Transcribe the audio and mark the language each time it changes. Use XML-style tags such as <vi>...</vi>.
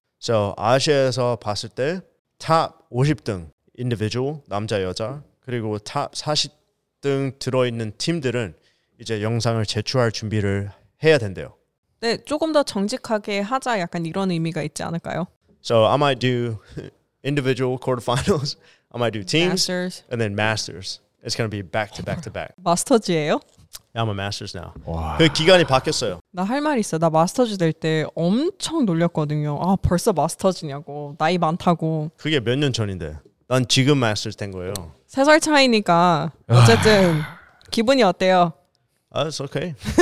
<ko>So, 아시아에서 봤을 때 top 50등 individual 남자 여자 그리고 top 40등 들어있는 팀들은 이제 영상을 제출할 준비를 해야 된대요. 네, 조금 더 정직하게 하자 약간 이런 의미가 있지 않을까요?</ko> <en>So I might do individual quarterfinals. I might do teams, masters. And then masters. It's gonna be back to back to back.</en> <ko>마스터즈예요?</ko> <en>Yeah, I'm a masters now.</en> <ko>와. 그 기간이 바뀌었어요. 나 할 말 있어. 나 마스터즈 될 때 엄청 놀렸거든요. 아 벌써 마스터즈냐고 나이 많다고. 그게 몇 년 전인데. 난 지금 마스터즈 된 거예요. 세 살 차이니까 어쨌든 기분이 어때요?</ko> <en>It's okay.</en>